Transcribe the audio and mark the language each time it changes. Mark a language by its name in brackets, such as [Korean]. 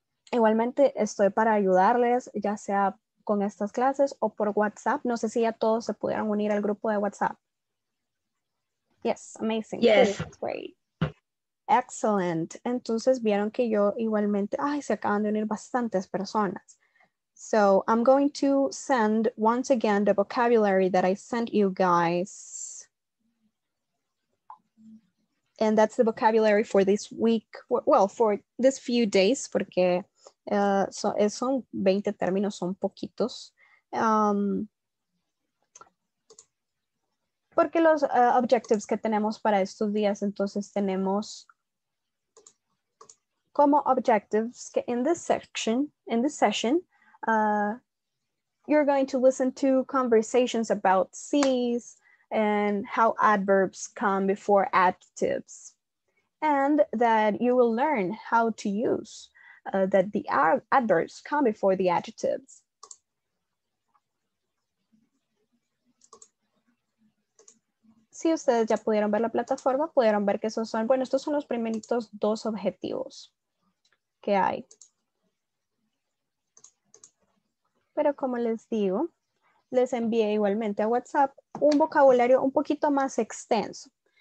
[Spanish] Igualmente, estoy para ayudarles, ya sea con estas clases o por WhatsApp. No sé si ya todos se pudieron unir al grupo de WhatsApp. [English] Yes, amazing. Yes. Great. Excellent. [Spanish] Entonces vieron que yo igualmente, ay, se acaban de unir bastantes personas. [English] So I'm going to send once again the vocabulary that I sent you guys. And that's the vocabulary for this week. Well, for this few days, [Spanish] porque son 20 términos, son poquitos. Porque los objectives que tenemos para estos días, entonces tenemos como objectives [English] in this section, in this session, you're going to listen to conversations about cities and how adverbs come before adjectives. And that you will learn how to use that the adverbs come before the adjectives. [Spanish] Si ustedes ya pudieron ver la plataforma, pudieron ver que esos son, bueno, estos son los primeritos dos objetivos que hay. Pero como les digo, les envié igualmente a WhatsApp un vocabulario un poquito más extenso.